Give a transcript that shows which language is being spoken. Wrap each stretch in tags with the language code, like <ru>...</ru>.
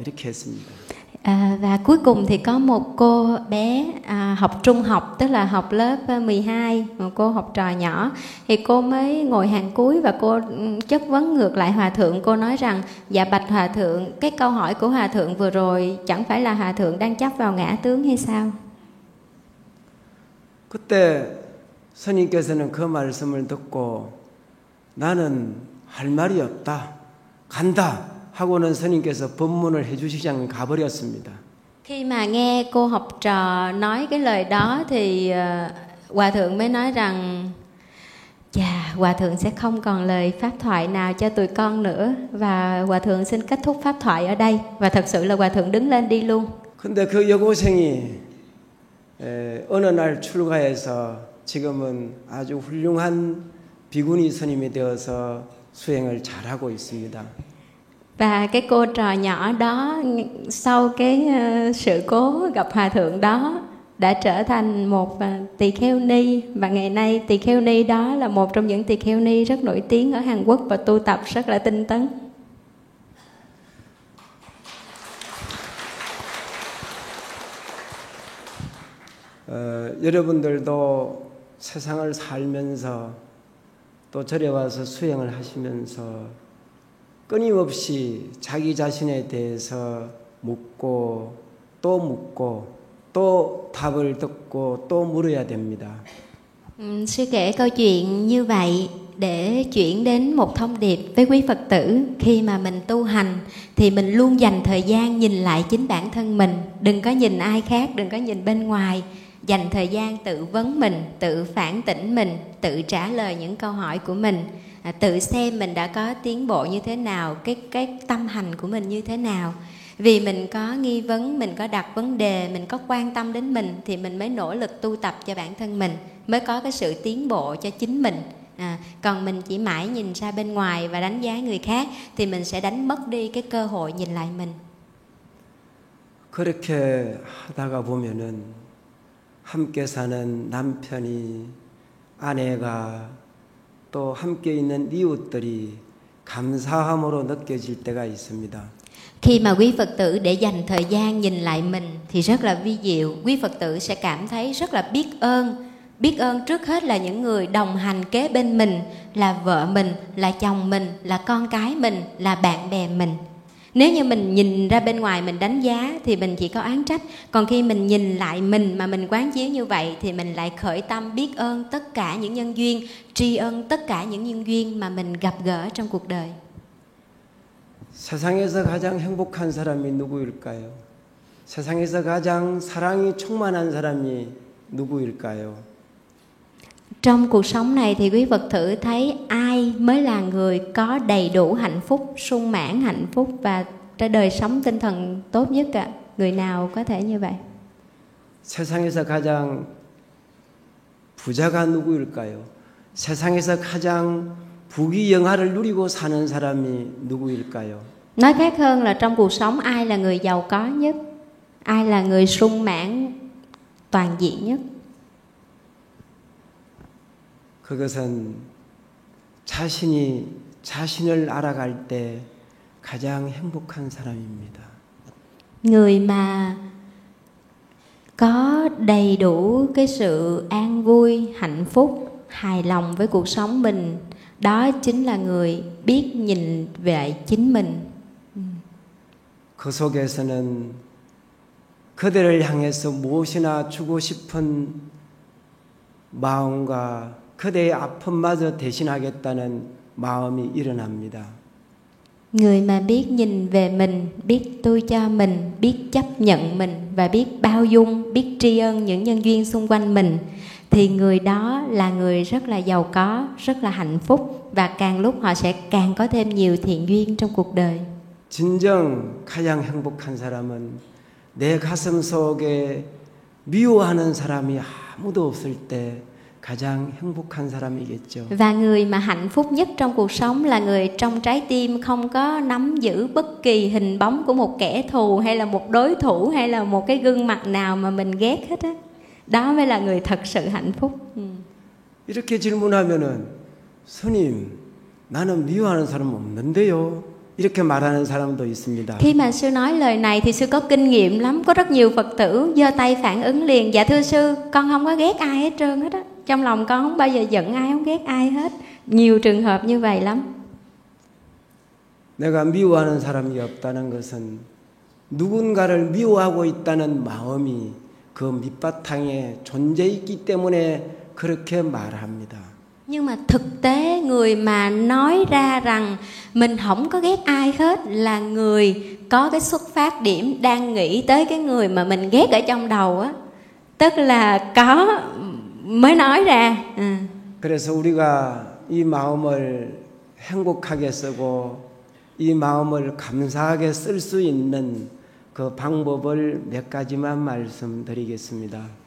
<ko>이렇게 했습니다.</ko> <vi>Và cuối cùng thì có một cô bé học trung học, tức là học lớp 12, một cô học trò nhỏ, thì cô mới ngồi hàng cuối và cô chất vấn ngược lại hòa thượng. Cô nói rằng, dạ bạch hòa thượng, cái câu hỏi của hòa thượng vừa rồi chẳng phải là hòa thượng đang chấp vào ngã tướng hay sao?</vi> <ko>그때 스님께서는 그 말씀을 듣고 나는 할 말이 없다, 간다 하고는 스님께서 법문을 해주시장 가버렸습니다.</ko> <vi>Khi mà nghe cô học trò nói cái lời đó thì hòa thượng mới nói rằng, dạ hòa thượng sẽ không còn lời pháp thoại nào cho tụi con nữa và hòa thượng xin kết thúc pháp thoại ở đây, và thật sự là hòa thượng đứng lên đi luôn.</vi> <ko>근데 그 여고생이 어느 날 출가해서 지금은 아주 훌륭한 비구니 스님이 되어서 수행을 잘하고 있습니다.</ko> <vi>Và cái cô trò nhỏ đó sau cái sự cố gặp hòa thượng đó đã trở thành một tỳ kheo ni, và ngày nay tỳ kheo ni đó là một trong những tỳ kheo ni rất nổi tiếng ở Hàn Quốc và tu tập rất là tinh tấn.</vi> <ko>여러분들도 세상을 살면서 또 절에 와서 수행을 하시면서 끊임없이 자기 자신에 대해서 묻고 또 묻고 또 답을 듣고 또 물어야 됩니다.</ko> <vi>Sư kể câu chuyện như vậy để chuyển đến một thông điệp với quý Phật tử. Khi mà mình tu hành thì mình luôn dành thời gian nhìn lại chính bản thân mình. Đừng có nhìn ai khác, đừng có nhìn bên ngoài. Dành thời gian tự vấn mình, tự phản tỉnh mình, tự trả lời những câu hỏi của mình. Tự xem mình đã có tiến bộ như thế nào, cái tâm hành của mình như thế nào. Vì mình có nghi vấn, mình có đặt vấn đề, mình có quan tâm đến mình, thì mình mới nỗ lực tu tập cho bản thân mình, mới có cái sự tiến bộ cho chính mình. Còn mình chỉ mãi nhìn ra bên ngoài và đánh giá người khác, thì mình sẽ đánh mất đi cái cơ hội nhìn lại mình.</vi> <ko>그렇게 하다가 보면은 함께 사는 남편이 아내가 또 함께 있는 이웃들이 감사함으로 느껴질 때가 있습니다.</ko> <vi>Khi mà quý Phật tử để dành thời gian nhìn lại mình thì rất là vi diệu, quý Phật tử sẽ cảm thấy rất là biết ơn. Biết ơn trước hết là những người đồng hành kế bên mình, là vợ mình, là chồng mình, là con cái mình, là bạn bè mình. Nếu như mình nhìn ra bên ngoài mình đánh giá thì mình chỉ có oán trách. Còn khi mình nhìn lại mình mà mình quán chiếu như vậy thì mình lại khởi tâm biết ơn tất cả những nhân duyên, tri ân tất cả những nhân duyên mà mình gặp gỡ trong cuộc đời.</vi> <ko>세상에서 가장 행복한 사람이 누구일까요? 세상에서 가장 사랑이 충만한 사람이 누구일까요?</ko> <vi>Trong cuộc sống này thì quý Phật tử thấy ai mới là người có đầy đủ hạnh phúc, sung mãn hạnh phúc và đời sống tinh thần tốt nhất ạ? Người nào có thể như vậy?</vi> <ko>세상에서 가장 부자가 누구일까요? 세상에서 가장 부귀 영화를 누리고 사는 사람이 누구일까요?</ko> <vi>Nói khác hơn là trong cuộc sống ai là người giàu có nhất? Ai là người sung mãn toàn diện nhất?</vi> <ko>그것은 자신이 자신을 알아갈 때 가장 행복한 사람입니다.</ko> <vi>Người mà có đầy đủ cái sự an vui, hạnh phúc, hài lòng với cuộc sống mình, đó chính là người biết nhìn về chính mình.</vi> <ko>그 속에서는 그들을 향해서 무엇이나 주고 싶은 마음과 그대의 아픔마저 대신하겠다는 마음이 일어납니다.</ko> <vi>Người mà biết nhìn về mình, biết tôi cho mình, biết chấp nhận mình và biết bao dung, biết tri ân những nhân duyên xung quanh mình thì người đó là người rất là giàu có, rất là hạnh phúc và càng lúc họ sẽ càng có thêm nhiều thiện duyên trong cuộc đời.</vi> <ko>진정 가장 행복한 사람은 내 가슴 속에 미워하는 사람이 아무도 없을 때 가장 행복한 사람이겠죠.</ko> <vi>Và người mà hạnh phúc nhất trong cuộc sống là người trong trái tim không có nắm giữ bất kỳ hình bóng của một kẻ thù hay là một đối thủ hay là một cái gương mặt nào mà mình ghét hết á. Đó mới là người thật sự hạnh phúc.</vi> <ko>이렇게 질문하면은 스님, 나는 미워하는 사람 없는데요. 이렇게 말하는 사람도 있습니다.</ko> <vi>Khi mà sư nói lời này thì sư có kinh nghiệm lắm, có rất nhiều Phật tử giơ tay phản ứng liền, dạ thưa sư, con không có ghét ai hết trơn hết á. Trong lòng con không bao giờ giận ai, không ghét ai hết. Nhiều trường hợp như vậy lắm.</vi> <ko>내가 미워하는 사람이 없다는 것은 누군가를 미워하고 있다는 마음이 그 밑바탕에 존재 있기 때문에 그렇게 말합니다.</ko> <vi>Nhưng mà thực tế người mà nói ra rằng mình không có ghét ai hết là người có cái xuất phát điểm đang nghĩ tới cái người mà mình ghét ở trong đầu á. Tức là có mới nói ra.</vi> <ko>그래서 우리가 이 마음을 행복하게 쓰고 이 마음을 감사하게 쓸 수 있는 그 방법을 몇 가지만 말씀드리겠습니다.</ko>